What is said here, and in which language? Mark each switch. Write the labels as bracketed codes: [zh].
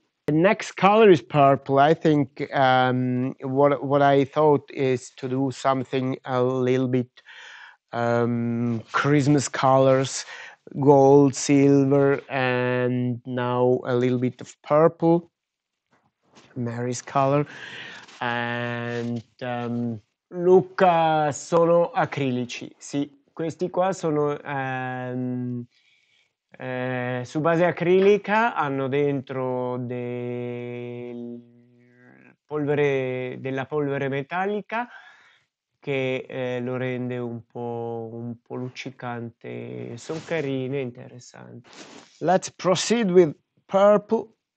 [en] The next color is purple. I think what I thought is to do something a little bit Christmas colors, gold, silver, and now a little bit of purple, Mary's color. And [it] Luca, sono acrilici. Sì, questi qua sono su base acrilica, hanno dentro della polvere metallica che lo rende un po' luccicante. Sono carine, interessanti. [en] Let's proceed with purple.